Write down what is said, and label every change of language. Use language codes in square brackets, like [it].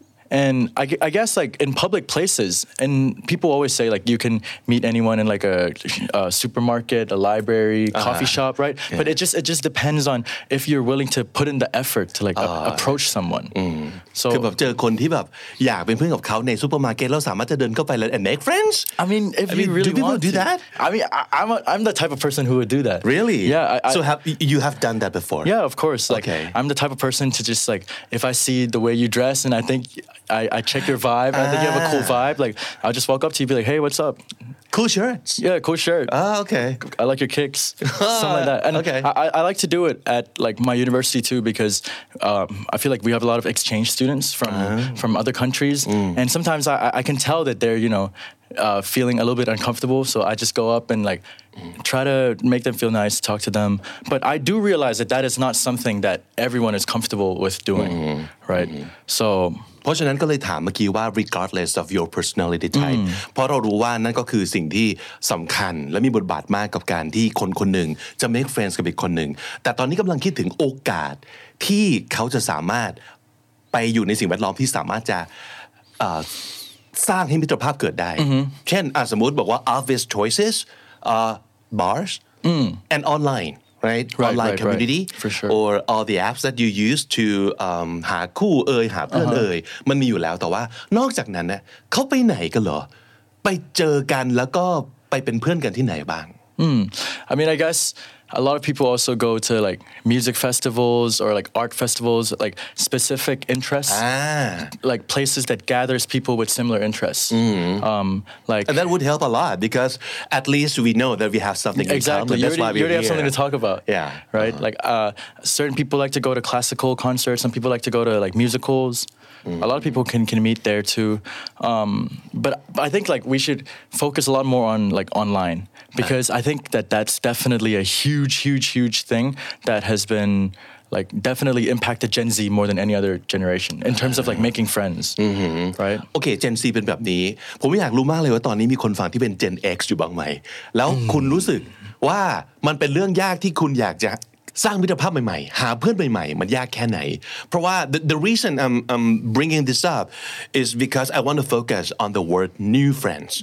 [en] And I guess, like, in public places, and people always say, like, you can meet anyone in, like, a supermarket, a library, coffee shop, right? Yeah. But it just depends on if you're willing to put in the effort to, like, approach someone. [th] So, คือแบบเจอคนที่แบบอยากเป็นเพื่อนกับเขาในซูเปอร์มาร์เก็ตแล้วสามารถจะเดินเข้าไปแล้ว [en] and make friends? I mean, if you really want to. Do people do that? I mean, I'm the type of person who would do that. Really? Yeah. So you have done that before? Yeah, of course. Like, okay. I'm the type of person to just, like, if I see the way you dress and I think... I check your vibe. I think you have a cool vibe. Like, I'll just walk up to you and be like, hey, what's up? Cool shirts. Yeah, cool shirt. Oh, okay. I like your kicks. Something like that. And okay. I like to do it at, like, my university, too, because I feel like we have a lot of exchange students from other countries. And sometimes I can tell that they're, you know, feeling a little bit uncomfortable. So I just go up and like try to make them feel nice, talk to them. But I do realize that that is not something that everyone is comfortable with doing, right? So... [th] เพราะฉะนั้นก็เลยถามเมื่อกี้ว่า [en] regardless of your personality type [th] เพราะเรารู้ว่านั่นก็คือสิ่งที่สำคัญและมีบทบาทมากกับการที่คนคนหนึ่งจะ [en] make friends [th] กับอีกคนหนึ่งแต่ตอนนี้กำลังคิดถึงโอกาสที่เขาจะสามารถไปอยู่ในสิ่งแวดล้อมที่สามารถจะสร้างให้มิตรภาพเกิดได้ เช่นสมมติบอกว่า [en] obvious choices bars and online right online community or all the apps that you use to [th] หาคู่เอ่ยหาเพื่อนเอ่ยมันมีอยู่แล้วแต่ว่านอกจากนั้นเนี่ยเขาไปไหนกันเหรอไปเจอกันแล้วก็ไปเป็นเพื่อนกันที่ไหนบ้าง [en] I mean I guess a lot of people also go to like music festivals or like art festivals like specific interests like places that gathers people with similar interests and that would help a lot because at least we know that we have something exactly in common. That's why we already have something to talk about right like certain people like to go to classical concerts some people like to go to like musicals a lot of people can meet there too but I think like we should focus a lot more on like online because I think that that's definitely a huge thing that has been like definitely impacted Gen Z more than any other generation in terms of like making friends right [th] okay Gen Z เป็นแบบนี้ผมอยากรู้มากเลยว่าตอนนี้มีคนฟังที่เป็น Gen X อยู่บ้างไหมแล้วคุณรู้สึกว่ามันเป็นเรื่องยากที่คุณอยากจะสร้างมิตรภาพใหม่ๆหาเพื่อนใหม่ๆมันยากแค่ไหนเพราะว่า [en] the reason I'm bringing this up is because I want to focus on the word new friends